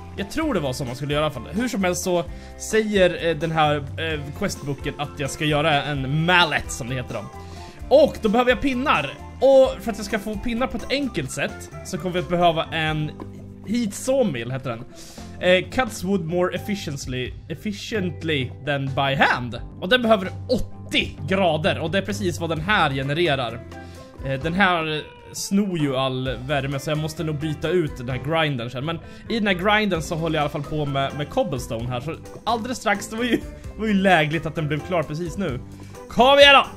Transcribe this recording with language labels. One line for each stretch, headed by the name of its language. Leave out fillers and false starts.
Swedish: Jag tror det var så man skulle göra i alla fall. Hur som helst så säger den här questbooken att jag ska göra en mallet, som det heter då. Och då behöver jag pinnar. Och för att jag ska få pinnar på ett enkelt sätt så kommer vi att behöva en heat sawmill, heter den.
English: Cuts wood more efficiently than by hand.
Swedish: Och den behöver 80 grader. Och det är precis vad den här genererar. Den här snor ju all värme, så jag måste nog byta ut den här grindern sen. Men i den här grindern så håller jag i alla fall på med cobblestone här. Så alldeles strax, det var ju lägligt att den blev klar precis nu. Kom igen då!